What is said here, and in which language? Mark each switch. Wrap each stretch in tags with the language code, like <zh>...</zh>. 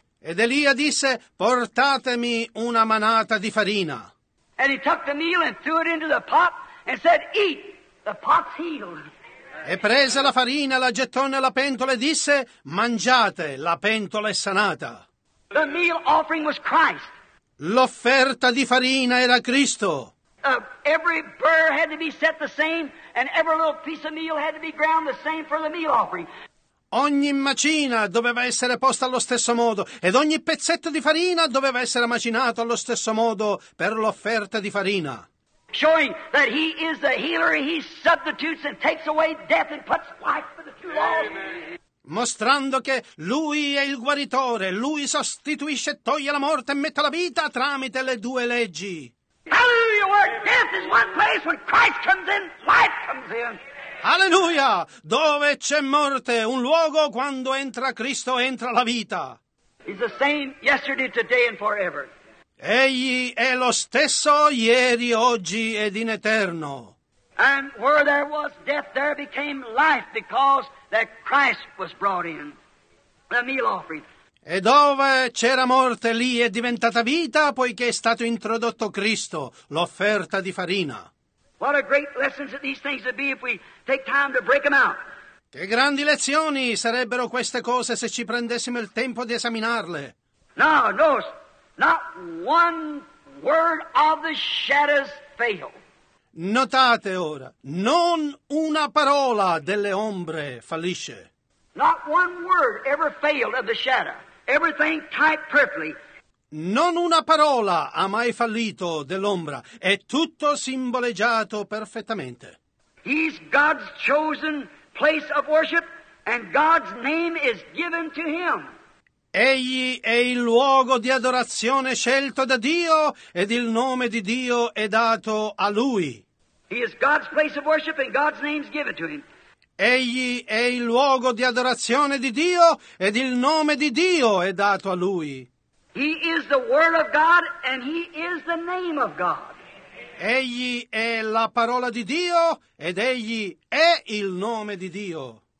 <it>Ed Elia disse, portatemi una manata di farina.</it> <en>And he took the meal and threw it into the pot and said, "Eat, the pot's healed."</en> <it>E prese la farina, la gettò nella pentola e disse, mangiate, la pentola è sanata.</it> <en>The meal offering was Christ.</en> <it>L'offerta di farina era Cristo.</it> <en>Every burr had to be set the same, and every little piece of meal had to be ground the same for the meal offering.</en> <it>Ogni macina doveva essere posta allo stesso modo, ed ogni pezzetto di farina doveva essere macinato allo stesso modo per l'offerta di farina.</it> <en>Showing that he is the healer, he substitutes and takes away death and puts life for the two lost.</en> <it>Mostrando che lui è il guaritore, lui sostituisce, toglie la morte e mette la vita tramite le due leggi.</it> <en>Hallelujah, where death is one place, when Christ comes in, life comes in.</en> <it>Alleluia! Dove c'è morte, un luogo, quando entra Cristo, entra la vita.</it> <en>He's the same yesterday, today and forever.</en> <it>Egli è lo stesso ieri, oggi ed in eterno.</it> <en>And where there was death, there became life, because that Christ was brought in, the meal offering.</en> <it>E dove c'era morte, lì è diventata vita, poiché è stato introdotto Cristo, l'offerta di farina.</it> <en>What a great lessons that these things would be if we take time to break them out.</en> <it>Che grandi lezioni sarebbero queste cose se ci prendessimo il tempo di esaminarle.</it> <en>No, not one word of the shadows fail.</en> <it>Notate ora, non una parola delle ombre fallisce.</it> <en>Not one word ever failed of the shadow. Everything typed perfectly.</en> <it>Non una parola ha mai fallito dell'ombra, è tutto simboleggiato perfettamente.</it> <en>He's God's chosen place of worship and God's name is given to him.</en> <it>Egli è il luogo di adorazione scelto da Dio ed il nome di Dio è dato a lui.</it> <en>He is God's place of worship and God's name is given to him.</en> <it>Egli è il luogo di adorazione di Dio ed il nome di Dio è dato a lui.</it> <en>He is the word of God and he is the name of God.</en> <it>Egli è la parola di Dio ed egli è il nome di Dio.</it>